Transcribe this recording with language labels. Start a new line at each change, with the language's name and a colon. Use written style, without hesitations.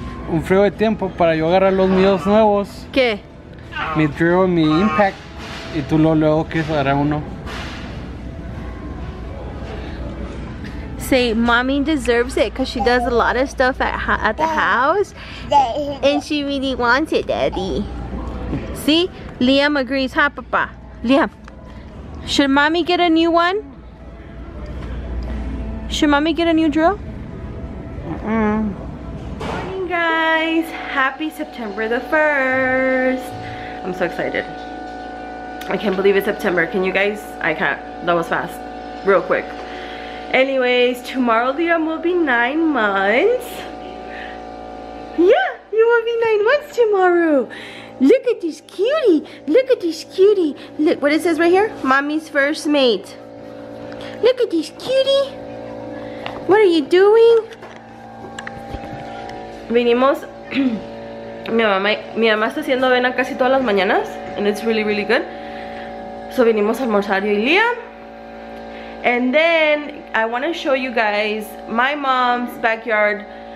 Spanish: Un frío de tiempo para yo agarrar los míos nuevos. ¿Qué? Mi drill, mi impact. Y tú luego quieres agarrar uno.
English: Say, mommy deserves it because she does a lot of stuff at the house, and she really wants it, daddy. See, Liam agrees, huh, papa? Liam, should mommy get a new one? Should mommy get a new drill? Mm-mm. Morning, guys. Happy September the 1st. I'm so excited. I can't believe it's September. Can you guys? I can't. That was fast. Real quick. Anyways, tomorrow Liam will be 9 months. Yeah, you will be 9 months tomorrow. Look at this cutie. Look at this cutie. Look what it says right here. Mommy's first mate. Look at this cutie. What are you doing?
Spanish: Vinimos. Mi mamá está haciendo avena casi todas las mañanas.
English: And it's really, really good.
Spanish: So vinimos a almorzar yo y Liam.
English: And then I want to show you guys my mom's backyard.